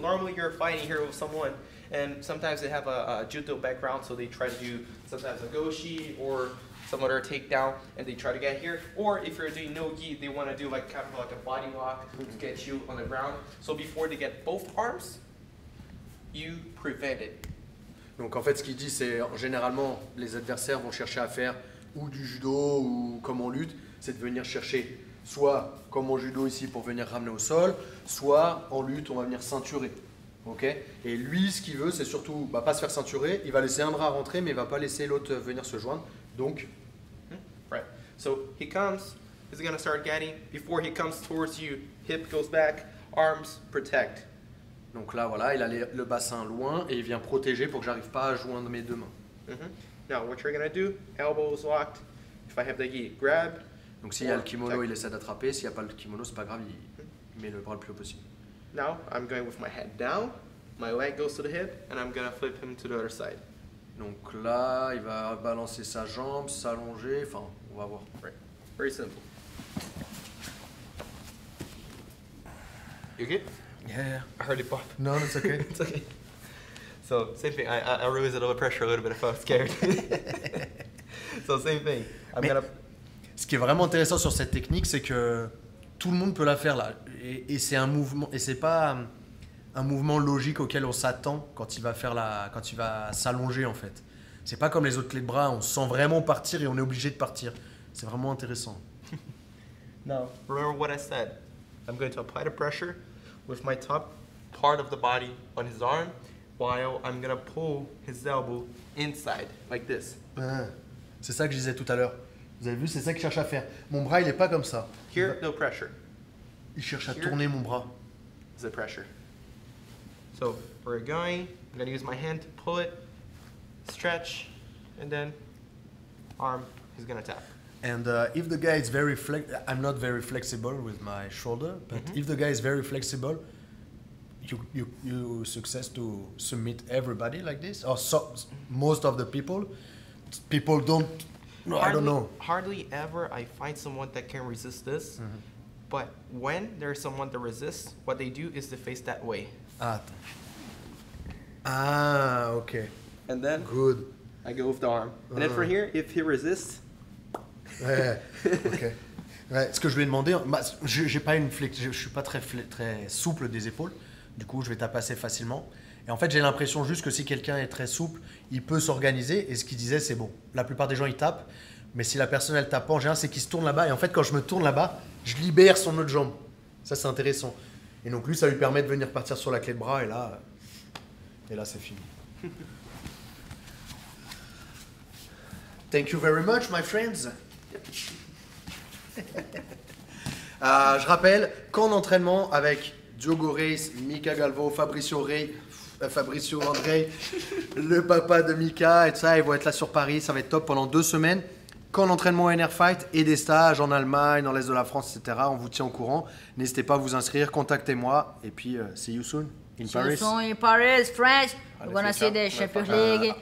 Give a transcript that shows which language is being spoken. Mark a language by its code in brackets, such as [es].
[en] Normally, you're fighting here with someone, and sometimes they have a judo background, so they try to do sometimes a goshi or some other takedown, and they try to get here. Or if you're doing no-gi, they want to do like kind of like a body lock to get you on the ground. So before they get both arms, you prevent it. [fr] Donc en fait, ce qu'il dit, c'est généralement, les adversaires vont chercher à faire ou du judo ou comme on lutte, c'est de venir chercher soit comme en judo ici pour venir ramener au sol, soit en lutte, on va venir ceinturer. Okay? Et lui, ce qu'il veut, c'est surtout bah, pas se faire ceinturer, il va laisser un bras rentrer, mais il va pas laisser l'autre venir se joindre. Donc, [en] right. So he comes. He's gonna start getting. Before he comes towards you, hip goes back, arms protect. [fr] Donc là, voilà, il a le bassin loin et il vient protéger pour que j'arrive pas à joindre mes deux mains. [en] Mm-hmm. Now what you're gonna do? Elbows locked. If I have the gi, grab. [fr] Donc s'il y a le kimono, [en] protect. [fr] Il essaie d'attraper. S'il y a pas le kimono, c'est pas grave. Il met le bras le plus haut possible. [en] Now I'm going with my head down. My leg goes to the hip and I'm gonna flip him to the other side. [fr] Donc là, il va balancer sa jambe, s'allonger, enfin, on va voir. [en] Right. Very simple. You okay? Yeah. I heard it pop. No, it's okay. It's okay. So, same thing. I release a little bit of pressure, a little bit if I was scared. So, same thing. [fr] Ce qui est vraiment intéressant sur cette technique, c'est que tout le monde peut la faire là. Et c'est un mouvement, et c'est pas... un mouvement logique auquel on s'attend quand il va faire la, quand il va s'allonger en fait. C'est pas comme les autres clés de bras, on sent vraiment partir et on est obligé de partir. C'est vraiment intéressant. [en] Now, remember what I said. I'm going to apply the pressure with my top part of the body on his arm while I'm going to pull his elbow inside like this. [fr] C'est ça que je disais tout à l'heure. Vous avez vu, c'est ça qu'il cherche à faire. Mon bras, il est pas comme ça. [en] Here, no pressure. [fr] Il cherche à tourner mon bras. [en] The pressure. So we're going, I'm gonna use my hand to pull it, stretch, and then arm, he's gonna tap. And if the guy is very flexible, I'm not very flexible with my shoulder, but mm-hmm. if the guy is very flexible, you success to submit everybody like this, or so, most of the people, people don't, no, hardly, I don't know. Hardly ever I find someone that can resist this, mm-hmm. but when there's someone that resists, what they do is to face that way. Okay. And then good. I go with the arm. And then from here, if he resists. [fr] Ouais, okay. Ouais, ce que je lui ai demandé, je suis pas très souple des épaules. Du coup, je vais taper assez facilement. Et en fait, j'ai l'impression juste que si quelqu'un est très souple, il peut s'organiser. Et ce qu'il disait, c'est bon. La plupart des gens, ils tapent. Mais si la personne, elle tape pas, en général, c'est qu'il se tourne là-bas. Et en fait, quand je me tourne là-bas, je libère son autre jambe. Ça, c'est intéressant. Et donc lui, ça lui permet de venir partir sur la clé de bras et là c'est fini. [en] Thank you very much, my friends. [fr] Je rappelle qu'en entraînement avec Diogo Reis, Mika Galvo, Fabricio André, le papa de Mika et tout ça, ils vont être là sur Paris, ça va être top pendant 2 semaines. Quand l'entraînement NR Fight et des stages en Allemagne, dans l'Est de la France, etc., on vous tient au courant. N'hésitez pas à vous inscrire, contactez-moi et puis [en] see you soon in Paris. See you soon in Paris, French. We're gonna see the Champions League.